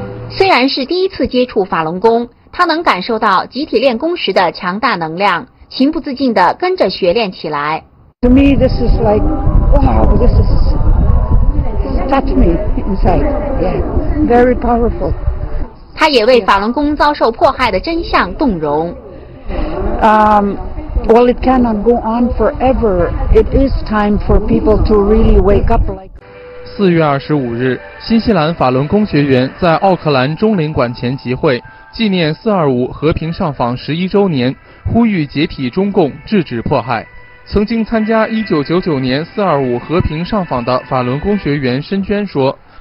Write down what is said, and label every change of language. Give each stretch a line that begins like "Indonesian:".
Chinese: 虽然是第一次接触法轮功，他能感受到集体练功时的强大能量，情不自禁地跟着学练起来。
English: To me, this is like Wow, this is touch me inside. Yeah, very powerful.
Chinese: 他也为法轮功遭受迫害的真相动容。
English: Well, it cannot go on forever. It is time for people to really wake up.
Chinese: 4月25日，新西兰法轮功学员在奥克兰中领馆前集会，纪念425和平上访11周年，呼吁解体中共，制止迫害。曾经参加1999年425和平上访的法轮功学员申娟说：“